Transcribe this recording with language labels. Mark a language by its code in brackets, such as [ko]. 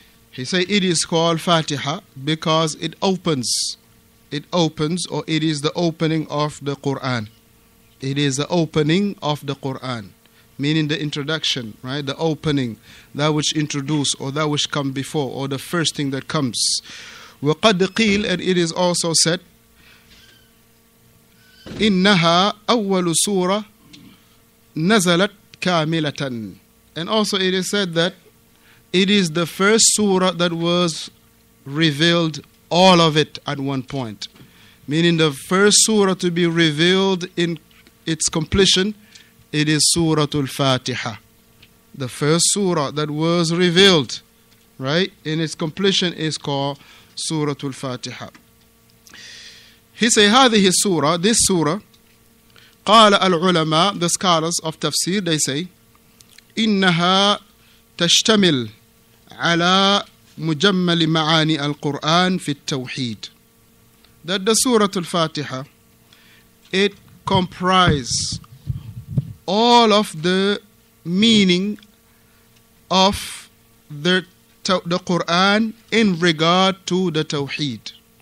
[en] He says it is called Fatiha because it opens, or it is the opening of the Qur'an. It is the opening of the Qur'an, meaning the introduction, right? The opening, that which introduce, or that which come before, or the first thing that comes. [ar] وَقَدْ قِيلَ, [en] and it is also said, [ar] إِنَّهَا أَوَّلُ سُورَةٌ نَزَلَتْ كَامِلَةً. [en] And also it is said that it is the first surah that was revealed, all of it at one point. Meaning the first surah to be revealed in its completion, it is Suratul Fatiha. The first surah that was revealed, right, in its completion is called Suratul Fatiha. He say, [ar] هذه السورة, [en] this surah, [ar] قال العلماء, [en] the scholars of tafsir, they say, [ar] إنها تشتمل على مجمل معاني القرآن في التوحيد. [en] That the Suratul Fatiha, it comprises all of the meaning of the Quran in regard to the Tawheed.